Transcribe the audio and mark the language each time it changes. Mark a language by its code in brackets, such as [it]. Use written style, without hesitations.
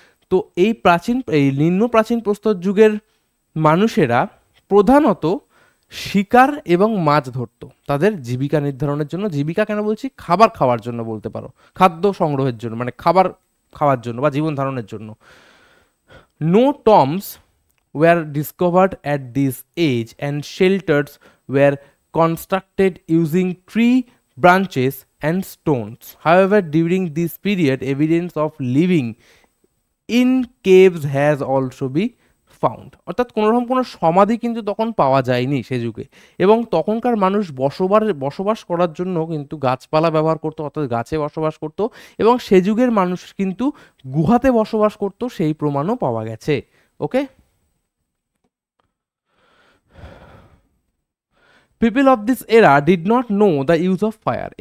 [bn] তো এই প্রাচীন এই নিম্ন প্রাচীন প্রস্তর যুগের মানুষেরা প্রধানত শিকার এবং মাছ ধরতো তাদের জীবিকা নির্ধারণের জন্য, জীবিকা কেন বলছি, খাবার খাওয়ার জন্য বলতে পারো, খাদ্য সংগ্রহের জন্য মানে খাবার খাওয়ার জন্য বা জীবন ধারণের জন্য। [en] No tombs were discovered at this age and shelters were constructed using tree branches and stones. However, during this period, evidence of living in caves has also been found. [bn] অর্থাৎ কোনোরকম কোনো সমাধি কিন্তু তখন পাওয়া যায়নি সে যুগে, এবং তখনকার মানুষ বসবাস করার জন্য কিন্তু গাছপালা ব্যবহার করত, অর্থাৎ গাছে বসবাস করত, এবং সে যুগের মানুষ কিন্তু গুহাতে বসবাস করত, সেই প্রমাণও পাওয়া গেছে। [en] Okay, people of this era did not know the use of fire.